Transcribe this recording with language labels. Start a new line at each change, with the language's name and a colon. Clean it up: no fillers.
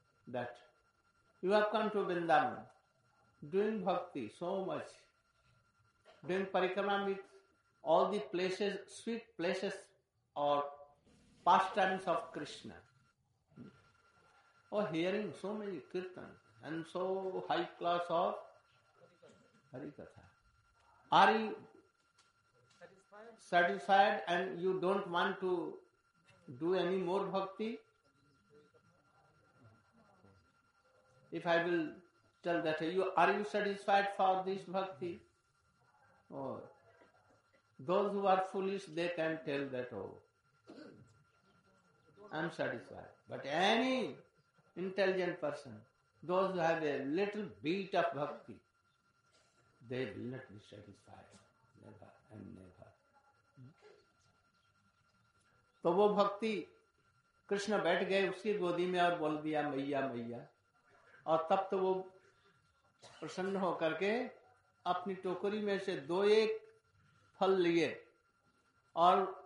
English: That you have come to Vrindavan doing bhakti so much, doing parikrama with all the places, sweet places और pastimes of Krishna, और hearing so many kirtan and so high class of harikatha, are you satisfied and you don't want to do any more bhakti? If I will tell that, are you satisfied for this bhakti? Oh, those who are foolish, they can tell that, oh, I'm satisfied. But any intelligent person, those who have a little bit of bhakti, they will not be satisfied. Never and never.
Hindi: तो वो भक्ति, कृष्ण बैठ गए उसकी गोदी में और बोल दिया मैया मैया, और तब तो वो प्रसन्न होकर के अपनी टोकरी में से दो एक फल लिए, और